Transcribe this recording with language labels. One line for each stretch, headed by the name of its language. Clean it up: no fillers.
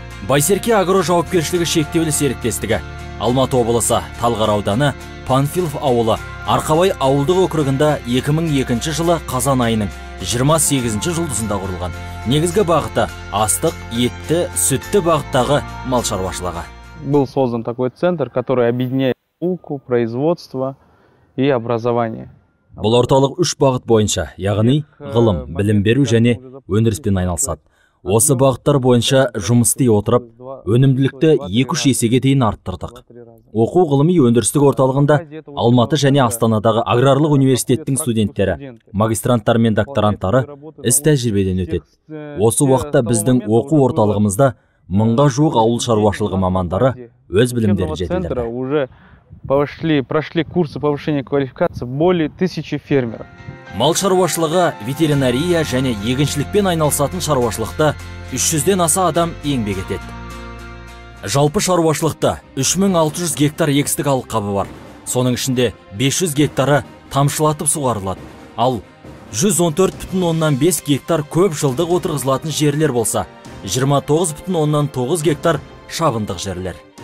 Kazakh: Байсерке Агро жауапкершілігі шектеулі серіктестігі Алматы облысы, Талғар ауданы, Панфилов ауылы, Арқабай ауылдық округінде 2002 жылы қазан айының 28-ші жұлдызында құрылған. Негізгі бағыты астық, етті, сүтті бағыттағы мал шаруашылығы.
Russian: Был создан такой центр, который объединяет науку, производство и образование.
Kazakh: Бұл орталық үш бағыт бойынша, яғни ғылым, білім беру және өндіріспен айналысады. Осы бағыттар бойынша жұмыс істей отырып, өнімділікті 2-3 есеге дейін арттырдық. Оқу ғылыми өндірістік орталығында Алматы және Астанадағы Аграрлық университеттің студенттері, магистранттар мен докторанттары іс тәжірибеден өтеді. Осы уақытта біздің оқу орталығымызда 1000-ға жуық ауыл шаруашылығы мамандары өз білімдерін жетілдірді.
Russian: Прошли курсы повышения квалификации более 1000 фермеров.
Kazakh: Мал шаруашылығы, ветеринария және егіншілікпен айналысатын шаруашылықта 300-ден аса адам еңбек етеді. Жалпы шаруашылықта 3600 гектар егістік алқабы бар. Соның ішінде 500 гектары тамшылатып суғарылады. Ал 114,5 гектар көп жылдық отырғызылатын жерлер болса, 29,9 гектар шабындық жерлер.